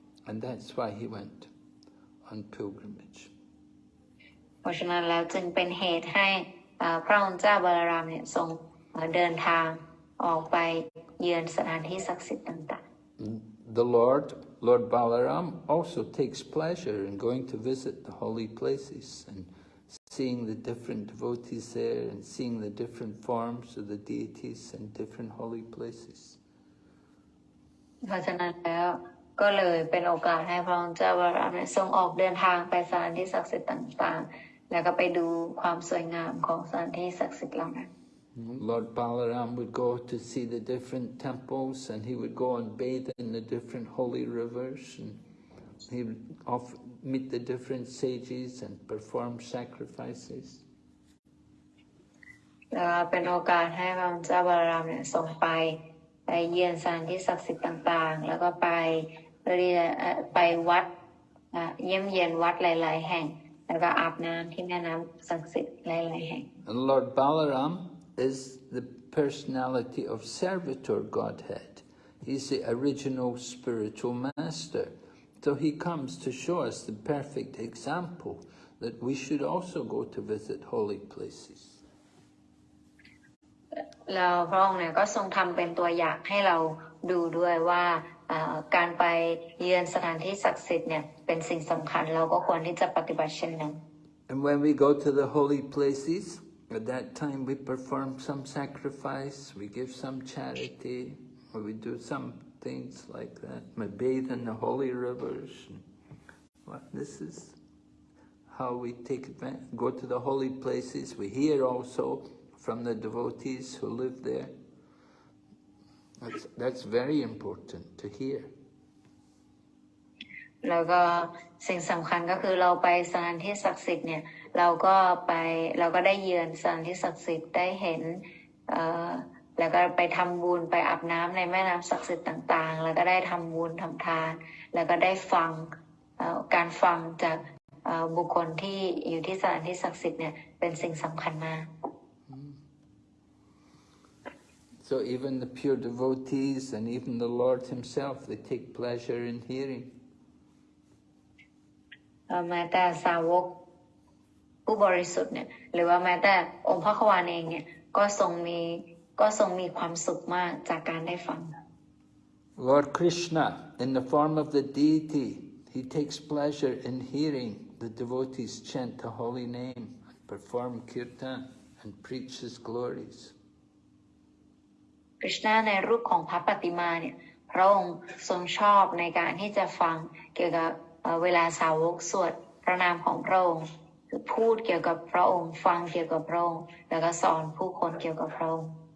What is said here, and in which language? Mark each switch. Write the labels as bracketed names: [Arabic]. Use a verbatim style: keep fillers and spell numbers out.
[English] And that's why he went on pilgrimage. [Thai] เพราะฉะนั้นแล้วจึงเป็นเหตุให้พระองค์เจ้าบารามเนี่ยทรงเดินทางออกไปเยือนสถานที่ศักดิ์สิทธิ์ต่าง [English] ๆ The Lord, Lord Balaram also takes pleasure in going to visit the holy places and seeing the different devotees there and seeing the different forms of the deities and different holy places. [Thai] เพราะฉะนั้นแล้วก็เลยเป็นโอกาสให้พระองค์เจ้าบารามทรงออกเดินทางไปสถานที่ศักดิ์สิทธิ์ต่างๆแล้วก็ไปดูความสวยงามของสถานที่ศักดิ์สิทธิ์เหล่านั้น [English] Lord Balaram would go to see the different temples and he would go and bathe in the different holy rivers and he would off, meet the different sages and perform sacrifices. [Thai] เป็นโอกาสให้พระองค์เจ้าบาลามเนี่ยส่งไปไปเยือนสถานที่ศักดิ์สิทธิ์ต่างๆแล้วก็ไปเรียไปวัดเยี่ยมเยียนวัดหลายๆแห่งแล้วก็อาบน้ำที่แม่น้ำศักดิ์สิทธิ์หลายๆแห่ง [English] And Lord Balaram is the personality of servitor Godhead. He's the original spiritual master. So he comes to show us the perfect example that we should also go to visit holy places. [Thai] แล้วพระองค์เนี่ยก็ทรงทำเป็นตัวอย่างให้เราดูด้วยว่าการไปเยือนสถานที่ศักดิ์สิทธิ์เนี่ยเป็นสิ่งสำคัญเราก็ควรที่จะปฏิบัติเช่นนั้น [English] And when we go to the holy places,At that time we perform some sacrifice, we give some charity, or we do some things like that. We bathe in the holy rivers. Well, this is how we take advantage. Go to the holy places. We hear also from the devotees who live there. That's, that's very important to hear. [Thai] แล้วก็สิ่งสำคัญก็คือเราไปสถานที่ศักดิ์สิทธิ์เนี่ยเราก็ไปเราก็ได้เยือนสถานที่ศักดิ์สิทธิ์ได้เห็นเอ่อแล้วก็ไปทำบุญไปอาบน้ำในแม่น้ำศักดิ์สิทธิ์ต่างๆแล้วก็ได้ทำบุญทำทานแล้วก็ได้ฟังเอ่อการฟังจากเอ่อบุคคลที่อยู่ที่สถานที่ศักดิ์สิทธิ์เนี่ยเป็นสิ่งสำคัญมาก [English] So even the pure devotees and even the Lord himself they take pleasure in hearing [Thai] แม้แต่สาวกผู้บริสุทธิ์เนี่ยหรือว่าแม้แต่องค์พระควานเองเนี่ยก็ทรงมีก็ทรงมีความสุขมากจากการได้ฟัง [English] Lord Krishna in the form of the deity he takes pleasure in hearing the devotees chant the holy name and perform kirtan and preach his glories [Thai] คริชนาในรูปของพระปฏิมาเนี่ยพระองค์ทรงชอบในการที่จะฟังเกี่ยวกับเวลาสาวกสวดพระนามของพระองค์พูดเกี่ยวกับพระองค์ฟังเกี่ยวกับพระองค์แล้วก็สอนผู้คนเกี่ยวกับพระองค์